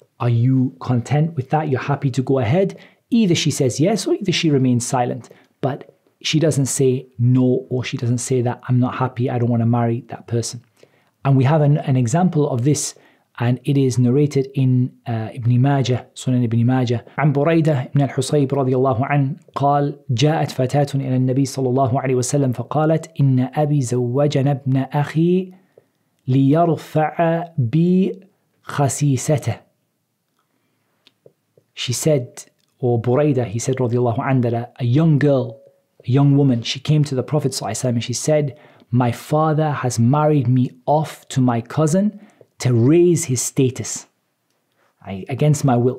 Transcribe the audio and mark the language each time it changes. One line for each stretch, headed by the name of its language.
English: Are you content with that? You're happy to go ahead? Either she says yes or either she remains silent. But she doesn't say no, or she doesn't say that I'm not happy, I don't want to marry that person. And we have an example of this, and it is narrated in Ibn Majah, Sunan Ibn Majah.
Arabic: عن بريدة بن الحصيب رضي الله عنه قال جاءت فتاة إلى النبي صلى الله عليه وسلم فقالت إن أبي زوجنا ابن أخي ليرفع بي خسيسته.
English: She said, or Buraidah, he said, radiallahu anhu, that a young girl, a young woman, she came to the Prophet ﷺ and she said, my father has married me off to my cousin to raise his status. Against my will.